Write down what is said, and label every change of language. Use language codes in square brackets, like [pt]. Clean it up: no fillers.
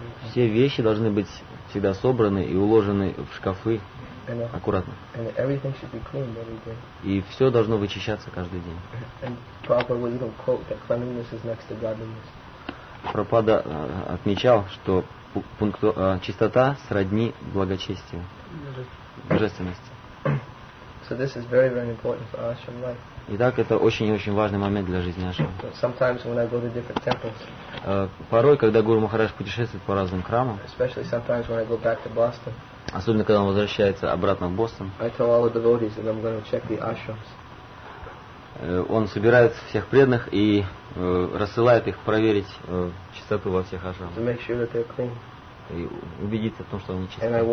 [ru] Все вещи должны быть всегда собраны и уложены в шкафы аккуратно. [en] And everything should be cleaned every day. [ru] И все должно вычищаться каждый день. [en] And Prabhupada would even quote that cleanliness is next to godliness. [ru] Прабхупада отмечал, что чистота сродни благочестию, божественности. [en] So this is very, very important for ashram life. [ru] Итак, это очень-очень важный момент для жизни ашрама. [en] Sometimes when I go to different temples, [ru] порой, когда Гуру Махарадж путешествует по разным храмам, [en] especially sometimes when I go back to Boston, [ru] особенно когда он возвращается обратно в Бостон, [en] I tell all the devotees that I'm going to check the ashrams. [ru] Он собирает всех преданных и рассылает их проверить чистоту во всех ашрамах. [en] Sure, [ru] и убедиться в том, что они чистые.